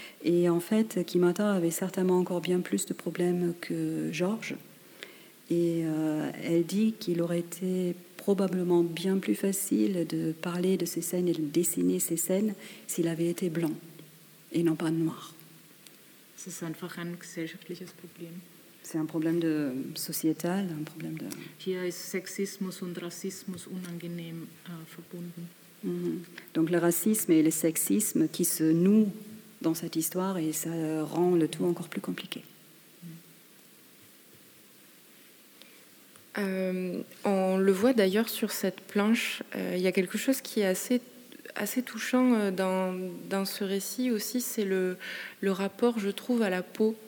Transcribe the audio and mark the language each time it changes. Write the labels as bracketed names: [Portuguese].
[French] Et en fait, Kimata avait certainement encore bien plus de problèmes que Georges. Et elle dit qu'il aurait été probablement bien plus facile de parler de ces scènes et de dessiner ces scènes s'il avait été blanc et non pas noir. C'est [German] einfach ein gesellschaftliches Problem. [French] C'est un problème de sociétal, un problème de... [German] Hier ist Sexismus und Rassismus unangenehm verbunden. Mm-hmm. [French] Donc le racisme et le sexisme qui se nouent dans cette histoire et ça rend le tout encore plus compliqué. On le voit d'ailleurs sur cette planche, il y a quelque chose qui est assez touchant dans ce récit aussi, c'est le rapport, je trouve, à la peau.